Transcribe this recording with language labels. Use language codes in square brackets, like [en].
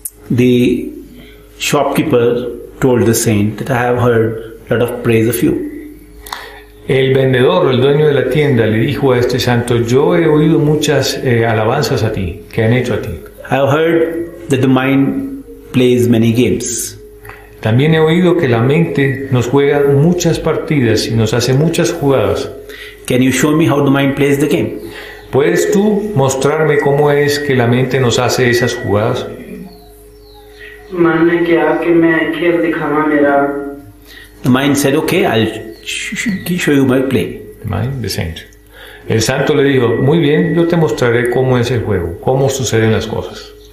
[en] the shopkeeper told the saint that I have heard a lot of praise of you. [es] El vendedor, el dueño de la tienda, le dijo a este santo, yo he oído muchas alabanzas a ti, que han hecho a ti. [en] I have heard that the mind plays many games. [es] También he oído que la mente nos juega muchas partidas y nos hace muchas jugadas. [en] Can you show me how the mind plays the game? [es] ¿Puedes tú mostrarme cómo es que la mente nos hace esas jugadas? [en] The mind said, okay, I'll show you my play. The mind, the saint. [es] El santo le dijo, muy bien, yo te mostraré cómo es el juego, cómo suceden las cosas.